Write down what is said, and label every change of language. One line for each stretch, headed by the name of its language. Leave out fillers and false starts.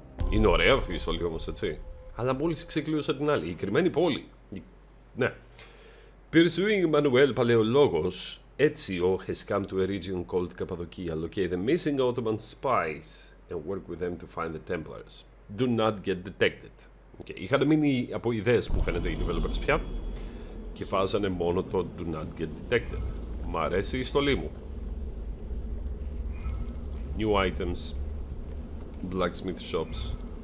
Greek: Είναι ωραία αυτή η στολή όμως, έτσι. Αλλά μόλις ξεκλείωσα την άλλη. Η κρυμμένη πόλη. Ναι.
English: Pursuing Manuel Paleologos, Ezio has come to a region called Cappadocia, locate the missing Ottoman spies and work with them to find the Templars. Do not get detected. Okay.
Greek: Είχαν μείνει από ιδέες που φαίνεται οι developers πια και βάζανε μόνο το
English: do not get detected.
Greek: Μ' αρέσει η στολή μου.
English: New items, blacksmith shops.